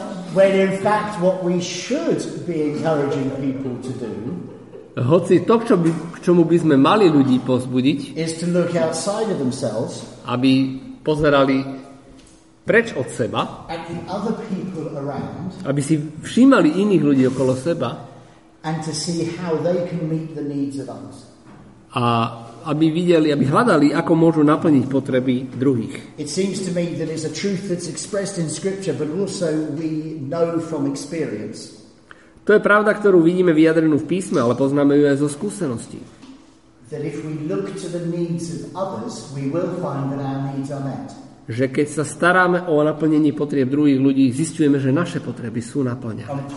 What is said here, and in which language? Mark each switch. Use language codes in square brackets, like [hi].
[en] When in fact what we should be encouraging people to do, [sk] hoci to, k čomu by sme mali ľudí pozbudiť, [en] is to look outside of themselves, [sk] aby pozerali preč od seba, [en] at the other people around, [sk] aby si všímali iných ľudí okolo seba, [en] and to see how they can meet the needs of others. [sk] A aby videli, aby hľadali, ako môžu naplniť potreby druhých. [en] It seems to me that is a truth that's expressed in scripture, but also we know from experience. [sk] To je pravda, ktorú vidíme vyjadrenú v písme, ale poznáme ju aj zo skúseností. [en] That if we look to the needs of others, we will find that our needs are met. [sk] Že keď sa staráme o naplnenie potrieb druhých ľudí, zistujeme, že naše potreby sú naplňané.